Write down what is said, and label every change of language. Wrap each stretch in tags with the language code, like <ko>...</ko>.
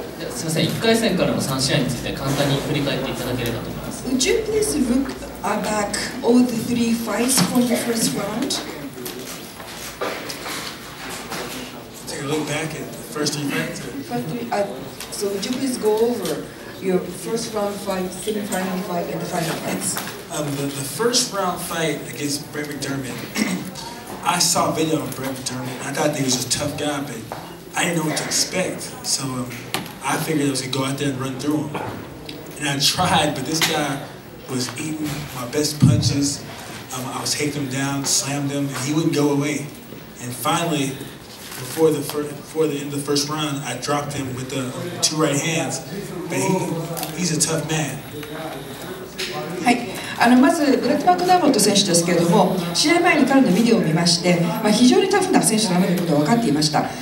<ja>すみません、1回戦からの3試合について簡単に振り返っていただければと思います。</ja> <en>Would you please look back all the three fights from the first round? Take a look back at the first event. So would you please go over your first round fight, semifinal fight, and the final fights? The first round fight against Brett McDermott, I saw a video on Brett McDermott. I thought he was a tough guy, but I didn't know what to expect. So I figured I was gonna go out there and run through him. And I tried, but this guy was eating my best punches. I was taking him down, slammed him, and he wouldn't go away. And finally, before the end of the first round, I dropped him with the two right hands. But he's a tough man.</en> <ja>まずブラッド・マクダーモット選手ですけれども、試合前に彼のビデオを見まして、非常にタフな選手だなということが分かっていました。</ja>